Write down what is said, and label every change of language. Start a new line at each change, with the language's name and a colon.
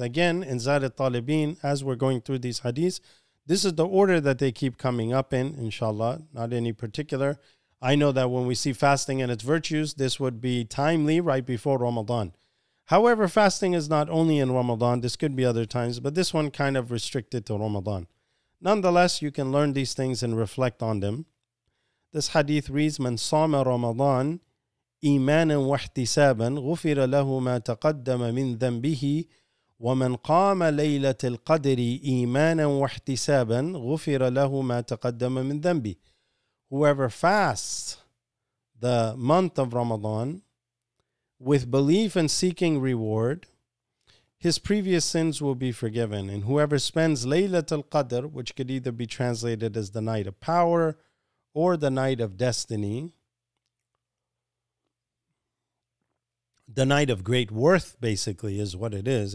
English: Again, in Zad al-Talibin, as we're going through these hadiths, this is the order that they keep coming up in inshallah, not any particular. I know that when we see fasting and its virtues, this would be timely right before Ramadan. However, fasting is not only in Ramadan, this could be other times, but this one kind of restricted to Ramadan. Nonetheless, you can learn these things and reflect on them. This hadith reads,
Arabic: من صام رمضان إيمانا واحتسابا غفر له ما تقدم من ذنبه ومن قام ليلة القدر إيمانا واحتسابا غفر له ما تقدم من ذنبه.
English: Whoever fasts the month of Ramadan with belief and seeking reward, his previous sins will be forgiven. And whoever spends Laylatul Qadr, which could either be translated as the night of power or the night of destiny, the night of great worth, basically, is what it is.